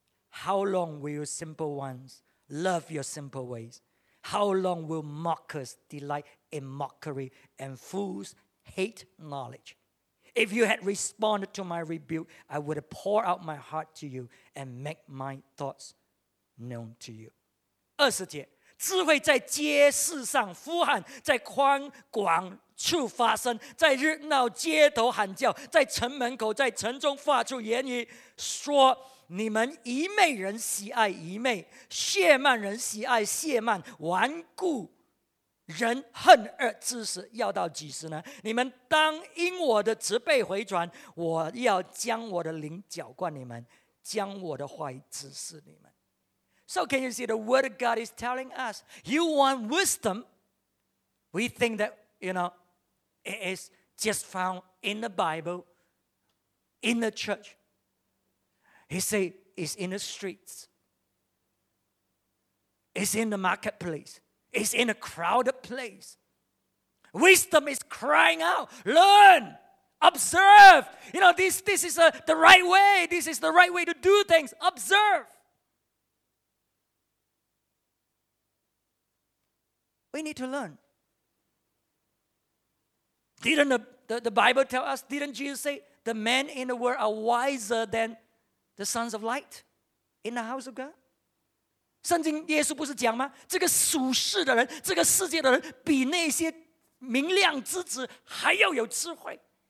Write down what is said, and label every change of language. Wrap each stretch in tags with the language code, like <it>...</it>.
<en>How long will you simple ones love your simple ways? How long will mockers delight in mockery and fools hate knowledge? If you had responded to my rebuke, I would have poured out my heart to you and make my thoughts known to you.</en> <zh>20节 智慧在街市上呼喊，在宽广处发声，在热闹街头喊叫，在城门口，在城中发出言语，说：“你们愚昧人喜爱愚昧，亵慢人喜爱亵慢，顽固人恨恶知识，要到几时呢？你们当因我的责备回转，我要将我的灵浇灌你们，将我的话语指示你们。”</zh> <en>So can you see the word of God is telling us, you want wisdom? We think that, you know, it is just found in the Bible, in the church. He said it's in the streets. It's in the marketplace. It's in a crowded place. Wisdom is crying out, learn, observe. You know, this is the right way. This is the right way to do things. Observe. We need to learn. Didn't the Bible tell us, didn't Jesus say, the men in the world are wiser than the sons of light in the house of God?</en> <zh>圣经耶稣不是讲吗? 这个属世的人, 这个世界的人, 比那些明亮之子还要有智慧。</zh>